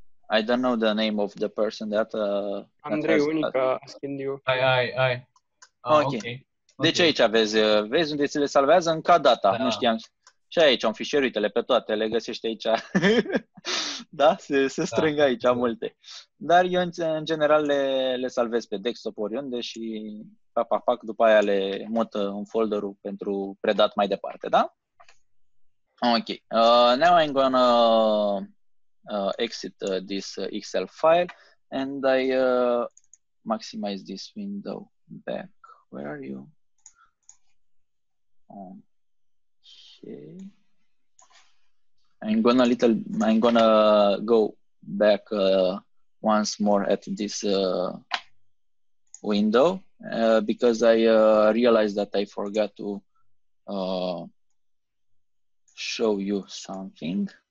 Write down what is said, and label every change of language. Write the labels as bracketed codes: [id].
[en] I don't know the name of the person that Andrei Unica asking you. Ai. Okay. [ro] Deci aici vezi, vezi unde ți le salvează în ca data, da. Nu știam. Și aici un fișier, uite-le pe toate, le găsești aici. Da, se strâng da. Aici multe. Dar eu în general le salvez pe desktop oriunde și pac după aia le mut în folderul pentru predat mai departe, da? Ok. [en] Now I'm going to exit this Excel file and I maximize this window back. Where are you? Okay. I'm gonna go back once more at this window because I realized that I forgot to show you something.